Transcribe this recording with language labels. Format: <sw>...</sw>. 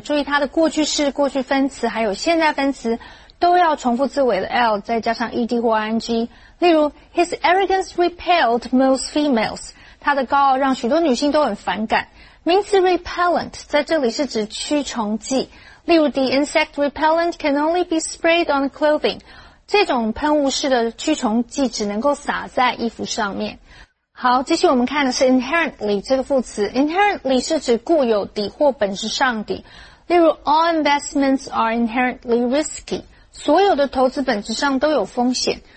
<zh>注意它的过去式、过去分词还有现在分词都要重复字尾的 L 再加上 ED 或 ING。例如</zh> <en>,His arrogance repelled most females.</en> <zh>他的高傲让许多女性都很反感。名词 repellent 在这里是指驱虫剂。例如</zh> <en>,the insect repellent can only be sprayed on clothing.</en> <zh>这种喷雾式的驱虫剂只能够撒在衣服上面。好，继续我们看的是 inherently 这个副词。inherently 是指固有的或本质上的。例如</zh> <en>,all investments are inherently risky.</en> <zh>所有的投资本质上都有风险。</zh>